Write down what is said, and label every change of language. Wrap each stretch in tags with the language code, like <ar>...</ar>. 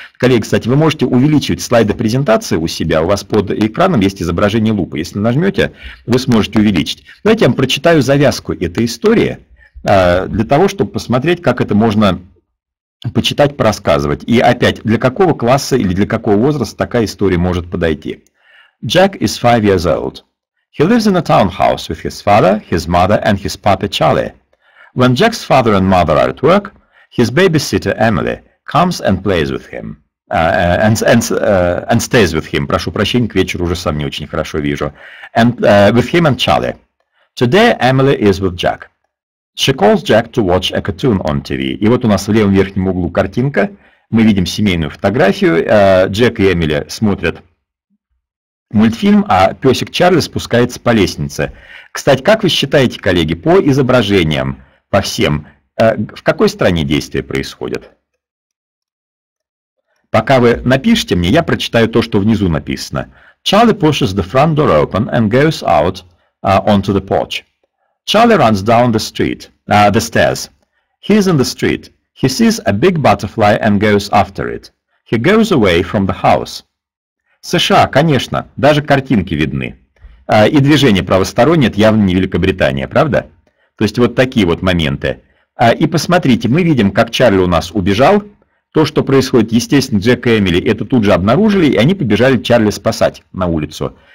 <ru>Коллеги, кстати, вы можете увеличивать слайды презентации у себя, у вас под экраном есть изображение лупы. Если нажмете, вы сможете увеличить. Давайте я вам прочитаю завязку этой истории, для того, чтобы посмотреть, как это можно почитать, порассказывать. И опять, для какого класса или для какого возраста такая история может подойти.</ru> <en>Jack is 5 years old. He lives in a townhouse with his father, his mother and his papa Charlie. When Jack's father and mother are at work, his babysitter Emily comes and plays with him, and stays with him.</en> <ru>Прошу прощения, к вечеру уже сам не очень хорошо вижу.</ru> <en>With him and Charlie. Today Emily is with Jack. She calls Jack to watch a cartoon on TV.</en> <ru>И вот у нас в левом верхнем углу картинка. Мы видим семейную фотографию. Джек и Эмили смотрят мультфильм, а песик Чарли спускается по лестнице. Кстати, как вы считаете, коллеги, по изображениям? По всем. В какой стране действие происходит? Пока вы напишите мне, я прочитаю то, что внизу написано.</ru> <en>Charlie pushes the front door open and goes out onto the porch. Charlie runs down the street, the stairs. He is in the street. He sees a big butterfly and goes after it. He goes away from the house.</en> <ru>США, конечно, даже картинки видны. И движение правостороннее, это явно не Великобритания, правда? То есть вот такие вот моменты. И посмотрите, мы видим, как Чарли у нас убежал. То, что происходит, естественно, Джек и Эмили это тут же обнаружили, и они побежали Чарли спасать на улицу.</ru>